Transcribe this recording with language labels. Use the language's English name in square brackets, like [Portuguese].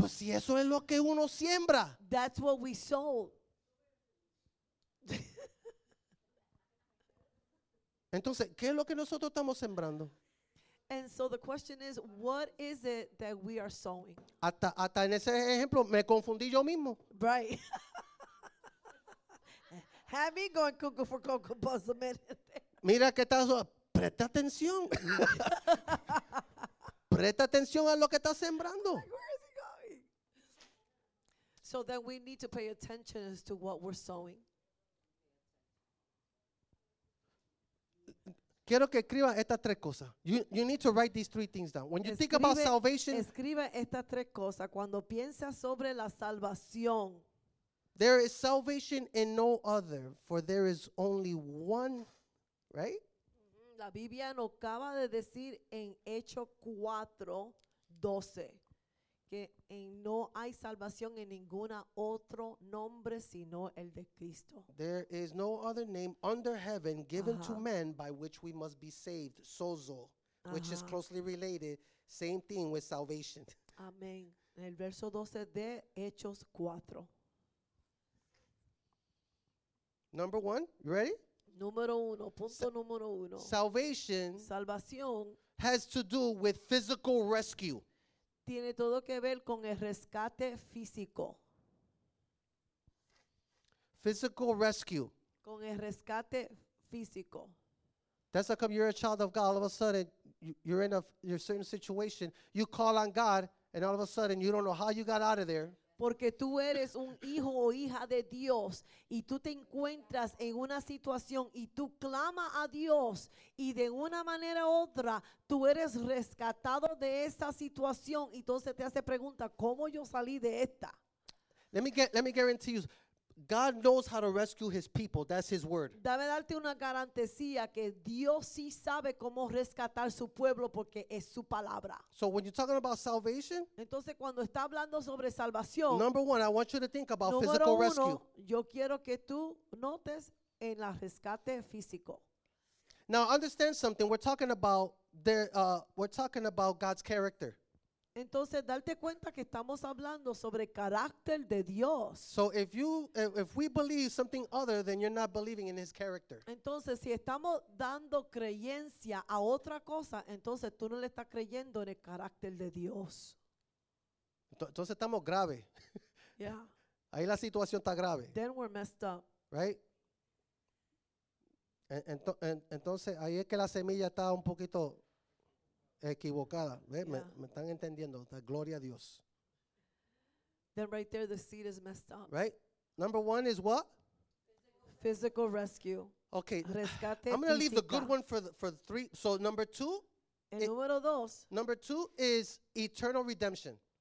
[Spanish] Pues si eso es lo que uno siembra. [English] That's what we sowed. [Spanish] Entonces, ¿qué es lo que nosotros estamos sembrando? [English] And so the question is, what is it that we are sowing? [Spanish] Hasta en ese ejemplo, me confundí yo mismo. [English] Right. Have me going cuckoo for cocoa buzz a minute. [Spanish] Mira que estás, presta atención. Presta atención a lo que estás sembrando. [English] Where is he going? So then we need to pay attention as to what we're sowing. [Spanish] Quiero que escriba estas tres cosas. [English] You need to write these three things down. When you think about salvation, [Spanish] escriba estas tres cosas cuando piensas sobre la salvación. [English] There is salvation in no other, for there is only one, right? [Spanish] La Biblia nos acaba de decir en Hechos 4:12 que no hay salvación en ningún otro nombre sino el de Cristo. [English] There is no other name under heaven given to men by which we must be saved, sozo, which is closely related, same thing with salvation. [Spanish] Amén. En el verso 12 de Hechos 4. [English] Number one, you ready? [Spanish] Número uno, punto número uno. [English] Salvation. [Spanish] Salvación. [English] Has to do with physical rescue. [Spanish] Tiene todo que ver con el rescate físico. [English] Physical rescue. [Spanish] Con el rescate físico. [English] That's how come you're a child of God. All of a sudden, you're in a certain situation. You call on God, and all of a sudden, you don't know how you got out of there. [Spanish] Porque tú eres un hijo o hija de Dios y tú te encuentras en una situación y tú clama a Dios y de una manera u otra tú eres rescatado de esa situación y entonces te hace pregunta, ¿cómo yo salí de esta? [English] Let me guarantee you, God knows how to rescue his people. That's his word. [Spanish] Dame darte una garantía que Dios sí sabe cómo rescatar su pueblo porque es su palabra. [English] So when you're talking about salvation, [Spanish] entonces cuando está hablando sobre salvación, [English] number one, I want you to think about physical rescue. [Spanish] Número uno, yo quiero que tú notes en la rescate físico. [English] Now understand something. We're talking about God's character. [Spanish] Entonces, darte cuenta que estamos hablando sobre el carácter de Dios. [English] So if we believe something other, then you're not believing in his character. [Spanish] Entonces, si estamos dando creencia a otra cosa, entonces tú no le estás creyendo en el carácter de Dios. Entonces estamos grave. [English] Yeah. [Spanish] Ahí la situación está grave. [English] Then we're messed up. Right? [Spanish] Entonces, ahí es que la semilla está un poquito equivocada, ¿eh? Yeah. Me están entendiendo. La gloria a Dios. [English] Then right there the seed is messed up. Right? Number one is what? Physical rescue. Okay. [Spanish] Rescate [English] I'm going to leave the good one for the three. So number two. [Spanish] El número dos. [English] Number two is eternal redemption.